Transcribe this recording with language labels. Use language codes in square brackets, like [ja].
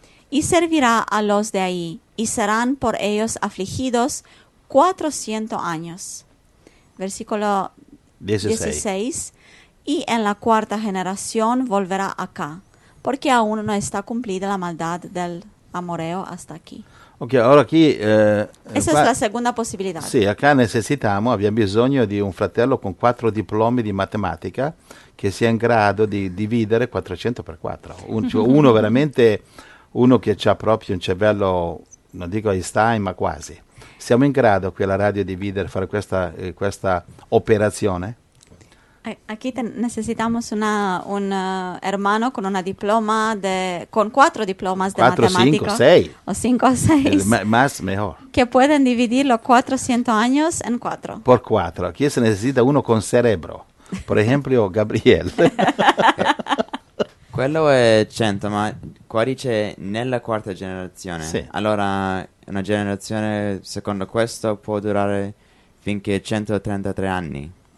[es] Y servirá a los de ahí, y serán por ellos afligidos 400 años. Versículo 16. Y en la cuarta generación volverá acá, porque aún no está cumplida la maldad del amoreo hasta aquí. [it] Ok, allora qui... Essa qua, è la seconda possibilità. Sì, acá necessitiamo, abbiamo bisogno di un fratello con 4 diplomi di matematica che sia in grado di dividere 400 per 4. Uno veramente, uno che ha proprio un cervello, non dico Einstein, ma quasi. Siamo in grado qui alla radio di dividere, fare questa operazione? [es] Aquí necesitamos un hermano con una diploma de con 4 diplomas de matemáticos. 5 o 6. Más mejor. Que pueden dividir los 400 años en 4. Por 4. Aquí se necesita uno con cerebro. Por ejemplo, Gabriel. [it] Quello è 100, ma qua dice nella quarta generazione. Sì. Allora una generazione secondo questo può durare finché 133 anni.